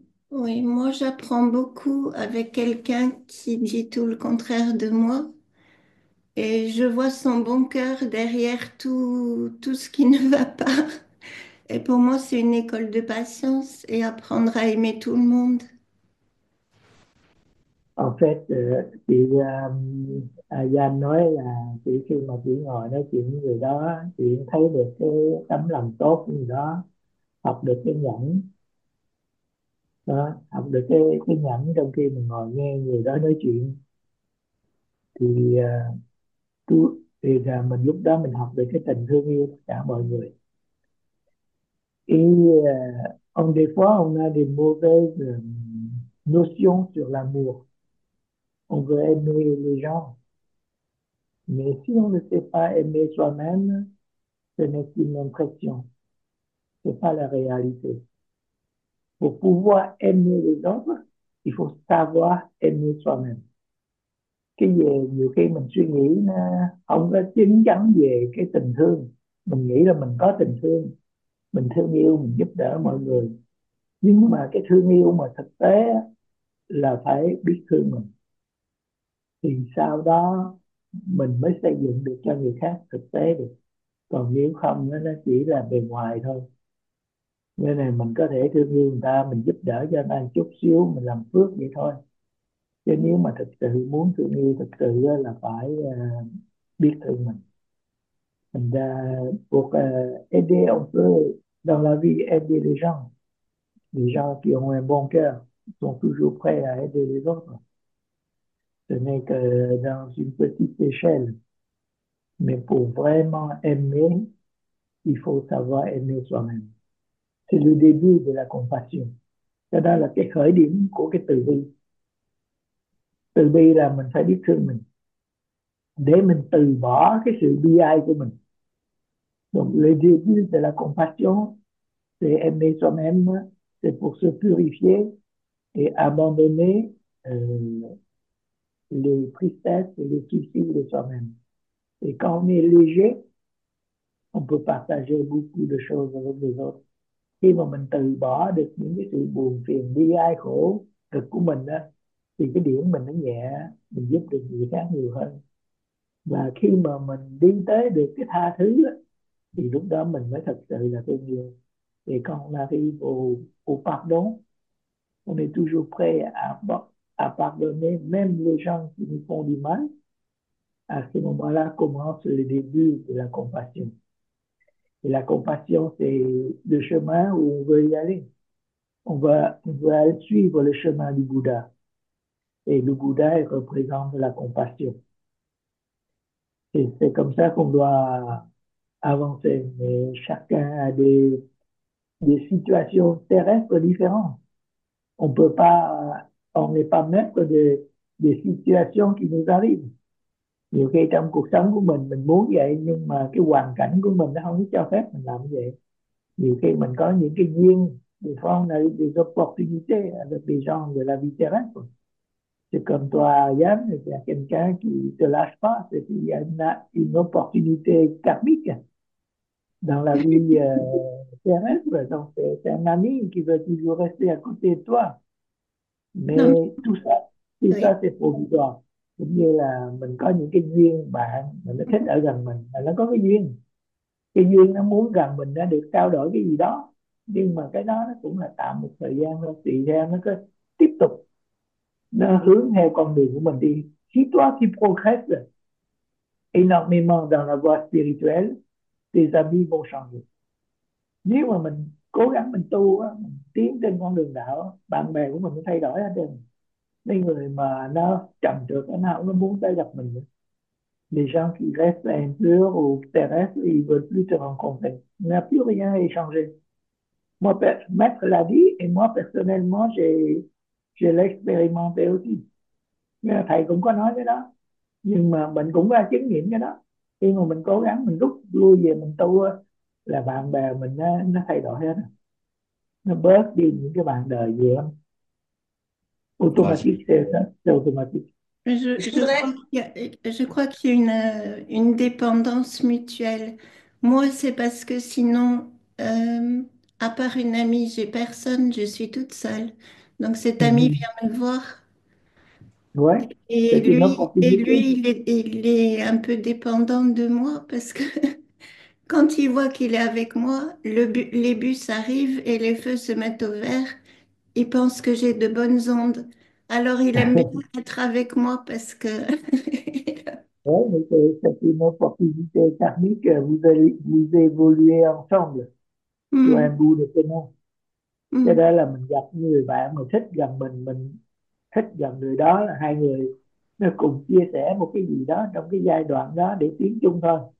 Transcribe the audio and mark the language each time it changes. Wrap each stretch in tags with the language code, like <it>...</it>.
<fr>Oui, moi j'apprends beaucoup avec quelqu'un qui dit tout le contraire de moi et je vois son bon cœur derrière tout ce qui ne va pas. Et pour moi, c'est une école de patience et apprendre à aimer tout le monde. En fait,</fr> <vi>chị Ayan nói là chị khi mà chị ngồi nói chuyện với người đó, chị thấy được cái tấm lòng tốt của người đó, học được cái nhẫn, đó, học được cái nhẫn trong khi mình ngồi nghe người đó nói chuyện, thì là mình lúc đó mình học được cái tình thương yêu tất cả mọi người. Ông đề phó ông là đề mô về</vi> <fr>notion sur l'amour. On veut aimer les gens. Mais si on ne sait pas aimer soi-même, ce n'est qu'une impression. Ce n'est pas la réalité. Pour pouvoir aimer les autres, il faut savoir aimer soi-même.</fr> <vi>Cái gì, nhiều khi mình suy nghĩ không có chín chắn về cái tình thương. Mình nghĩ là mình có tình thương, mình thương yêu, mình giúp đỡ mọi người. Nhưng mà cái thương yêu mà thực tế là phải biết thương mình. Thì sau đó mình mới xây dựng được cho người khác thực tế được. Còn nếu không nó chỉ là bề ngoài thôi. Nên là mình có thể thương yêu người ta, mình giúp đỡ cho người ta một chút xíu, mình làm phước vậy thôi. Chứ nếu mà thực sự muốn thương yêu thực sự là phải biết thương mình. Mình buộc</vi> <fr>aider on peut dans la vie aider les gens. Les gens qui ont un bon cœur sont toujours prêts à aider les autres. Ce n'est que dans une petite échelle. Mais pour vraiment aimer, il faut savoir aimer soi-même. C'est le début de la compassion.</fr> <vi>Cho đó là cái khởi điểm của cái từ bi. Từ bi là mình phải biết thương mình. Để mình từ bỏ cái sự bi ai của mình.</vi> <fr>Donc, le début de la compassion, c'est aimer soi-même, c'est pour se purifier et abandonner les tristesses et les soucis de soi-même. Et quand on est léger, on peut partager beaucoup de choses avec les autres. Khi mà mình từ bỏ được những cái sự buồn phiền bi ai khổ cực của mình đó, thì cái điểm mình nó nhẹ, mình giúp được người khác nhiều hơn. Và khi mà mình đi tới được cái tha thứ đó, thì lúc đó mình mới thật sự là thương yêu. Et quand on arrive au pardon, on est toujours prêt à pardonner même les gens qui nous font du mal, à ce moment-là commence le début de la compassion. Et la compassion, c'est le chemin où on veut y aller. On veut aller suivre le chemin du Bouddha. Et le Bouddha, il représente la compassion. Et c'est comme ça qu'on doit avancer. Mais chacun a des situations terrestres différentes. On peut pas. On n'est pas maître des situations qui nous arrivent.</fr> <vi>Nhiều khi trong cuộc sống của mình muốn vậy, nhưng mà cái hoàn cảnh của mình nó không cho phép mình làm vậy. Nhiều khi mình có những cái duyên,</vi> <fr>des fois on a des opportunités avec des gens de la vie terrestre. C'est comme toi, Yann, il y a quelqu'un qui ne te lâche pas, c'est qu'il y a une opportunité karmique. dans la vie terrestre. Donc, c'est un ami qui veut toujours rester à côté de toi. Non. Mais tout ça, Oui. c'est provisoire.</fr> <vi>Cũng như là mình có những cái duyên bạn mà nó thích ở gần mình, là nó có cái duyên. Cái duyên nó muốn gần mình đã được trao đổi cái gì đó. Nhưng mà cái đó nó cũng là tạm một thời gian thôi, tùy theo nó cứ tiếp tục. Nó hướng theo con đường của mình đi.</vi> <fr>Histoire qui progresse énormément dans la voie spirituelle des amis vont changer.</fr> <vi>Nếu mà mình cố gắng mình tu á, mình tiến trên con đường đạo, bạn bè của mình cũng thay đổi hết trơn. Mấy người mà nó trầm trược, nó cũng muốn tới gặp mình nữa.</vi> <fr>Les gens qui restent en dehors ou terrestres, ils veulent plus te rencontrer. Il n'y a plus rien à échanger. Moi, maître l'a dit, et moi, personnellement, je l'ai expérimenté aussi. Mais</fr> <vi>thầy cũng có nói cái đó. Nhưng mà mình cũng ra chứng nghiệm cái đó. Khi mà mình cố gắng, mình rút lui về, mình tu, là bạn bè mình nó thay đổi hết. Nó bớt đi những cái bạn đời gì đó.</vi> <fr>Bon, Automatique, c'est automatique. je crois qu'il y a une dépendance mutuelle. Moi, c'est parce que sinon, à part une amie, j'ai personne, je suis toute seule. Donc cet ami vient me voir. Ouais, Et c'est une lui, opportunité. il est un peu dépendant de moi parce que quand il voit qu'il est avec moi, les bus arrivent et les feux se mettent au vert. Il pense que j'ai de bonnes ondes. Alors, il aime bien être avec moi parce que... Oui, c'est une opportunité karmique, vous évoluez ensemble sur un bout de chemin.</fr> <vi>Cho nên là mình gặp người bạn mà thích gần mình thích gần người đó, là hai người nó cùng chia sẻ một cái gì đó trong cái giai đoạn đó để tiến chung thôi.</vi>